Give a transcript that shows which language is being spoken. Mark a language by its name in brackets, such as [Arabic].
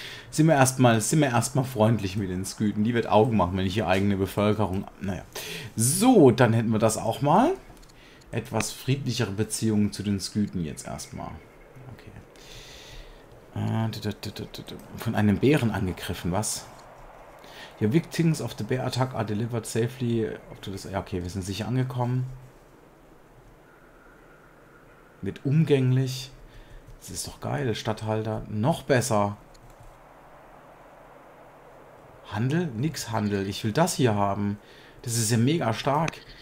[German] sind wir erstmal freundlich mit den Skythen. Die wird Augen machen, wenn ich hier eigene Bevölkerung... Naja. So, dann hätten wir das auch mal. Etwas friedlichere Beziehungen zu den Skythen jetzt erstmal. Okay. Von einem Bären angegriffen, was? [English] Your victims of the bear attack are delivered safely. [German] Ja, okay, wir sind sicher angekommen. Wird umgänglich. Das ist doch geil, Statthalter. Noch besser. Handel? Nix Handel. Ich will das hier haben. Das ist ja mega stark.